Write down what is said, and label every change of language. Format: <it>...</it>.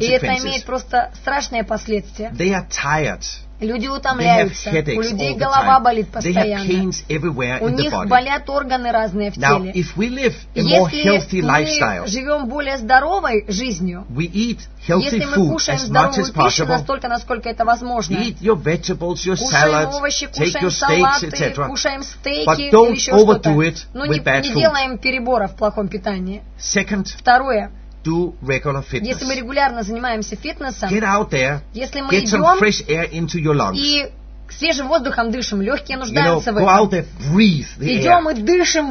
<ru>И это имеет просто страшные последствия.</ru> <en>They are tired.</en> <ru>Люди утомляются. У людей голова болит постоянно.</ru> <en>They have pains everywhere in the body.</en> <ru>У них болят органы разные в теле.</ru> <en>Now, if we live a more healthy lifestyle,</en> <ru>если мы живем более здоровой жизнью,</ru> <en>we eat healthy food as much as possible.</en> <ru>Если мы кушаем здоровую пищу настолько, насколько это возможно,</ru> <en>eat your vegetables, your salads, take your steaks, etc.</en> <ru>Кушаем стейки,</ru> <en>but don't overdo it with bad food.</en> <ru>Но не делаем перебора в плохом питании.</ru> <en>Second.</en> <ru>Второе.</ru> <en>Do regular fitness.</en> <ru>Если мы регулярно занимаемся фитнесом,</ru> <en>get out there,</en> <ru>если мы</ru> <en>get some fresh air into your lungs.</en> <ru>И свежим воздухом дышим, легкие нуждаются</ru> <en>you know,</en> <ru>в этом.</ru> <en>Go out there, breathe the air.</en> <ru>Идем и дышим</ru>